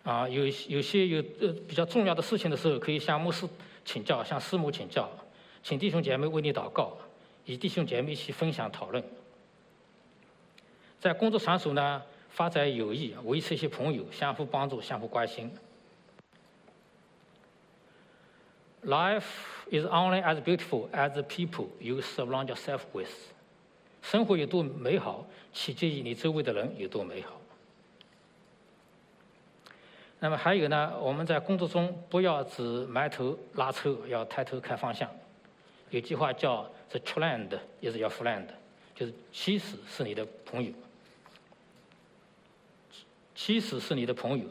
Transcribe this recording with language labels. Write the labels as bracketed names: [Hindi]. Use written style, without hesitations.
[Chinese] 有些比较重要的事情的时候，可以向牧师请教、向师母请教，请弟兄姐妹为你祷告，与弟兄姐妹一起分享讨论。在工作场所呢，发展友谊，维持一些朋友，相互帮助、相互关心。 [English] Life is only as beautiful as the people you surround yourself with。 [Chinese] 生活有多美好取决于你周围的人有多美好。那么还有呢，我们在工作中不要只埋头拉车，要抬头看方向。有句话叫 [English] The true land is your friend， [Chinese] 就是妻子是你的朋友，妻子是你的朋友。